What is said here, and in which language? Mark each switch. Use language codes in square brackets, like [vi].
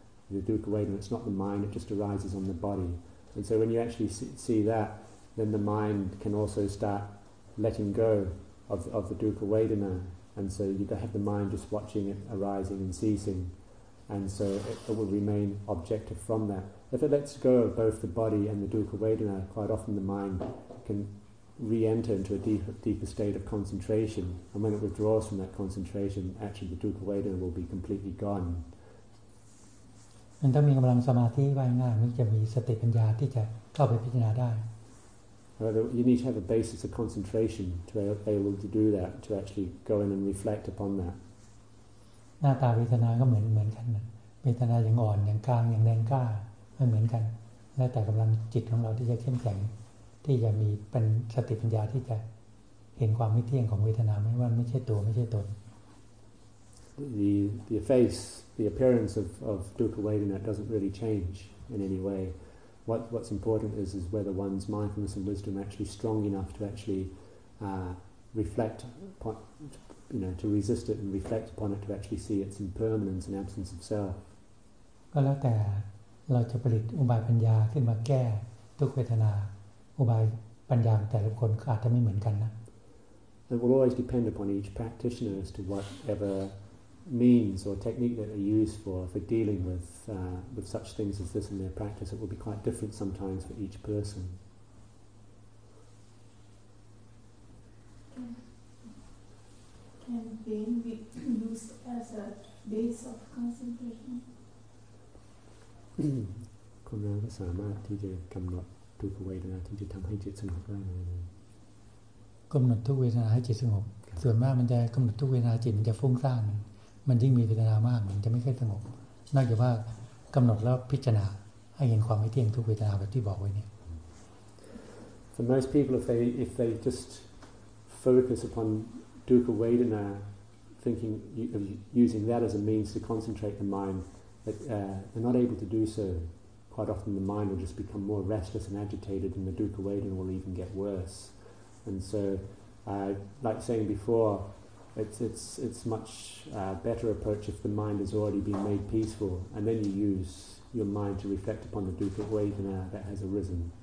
[en] The dukkha vedana, it's not the mind; it just arises on the body. And so, when you actually see that, then the mind can also start letting go of the dukkha vedana, and so you don't have the mind just watching it arising and ceasing, and so it will remain objective from that. If it lets go of both the body and the dukkha vedana, quite often the mind can re-enter into a deeper state of concentration, and when it withdraws from that concentration, actually the dukkha vedana will be completely gone. [th] มันต้องมีกำลังสมาธิไว้ง่ายมันจะมีสติปัญญาที่จะเข้าไปพิจารณาได้ [en] You need to have a basis of concentration to be able to do that, to actually go in and reflect upon that. [th] หน้าตาเวทนาก็เหมือนกันเวทนาอย่างอ่อนอย่างกลางอย่างแรงกล้ามันเหมือนกันแล้วแต่กำลังจิตของเราที่จะเข้มแข็งที่จะมีเป็นสติปัญญาที่จะเห็นความไม่เที่ยงของเวทนาไม่ว่าไม่ใช่ตัวไม่ใช่ตน [en] The face, the appearance of dukkha vedana doesn't really change in any way. What's important is whether one's mindfulness and wisdom are actually strong enough to actually reflect upon, you know, to resist it and reflect upon it to actually see its impermanence and absence of self. [th] ก็แล้วแต่เราจะผลิตอุบายปัญญาขึ้นมาแก้ทุกเวทนาอุบายปัญญาแต่ละคนก็อาจจะไม่เหมือนกันนะ [en] It will always depend upon each practitioner as to whatever means or technique that they use for dealing with such things as this in their practice, it will be quite different sometimes for each person. Can pain be used as a base of concentration? [th] คนเราก็สามารถที่จะกำหนดทุกเวทนาที่จะทำให้จิตสงบได้กำหนดทุกเวทนาให้จิตสงบส่วนมากมันจะกำหนดทุกเวทนาจิตมันจะฟุ้งซ่านมันยิ่งมีเวทนามากมันจะไม่ค่อยสงบนอกจากว่ากำหนดแล้วพิจารณาให้เห็นความไม่เที่ยงทุกเวทนาแบบที่บอกไว้เนี่ย [en] For most people if they just focus upon dukkha vedana thinking using that as a means to concentrate the mind that they're not able to do so quite often the mind will just become more restless and agitated and the dukkha vedana will even get worse and so like saying beforeIt's much better approach if the mind has already been made peaceful, and then you use your mind to reflect upon the dukkha vedana that has arisen.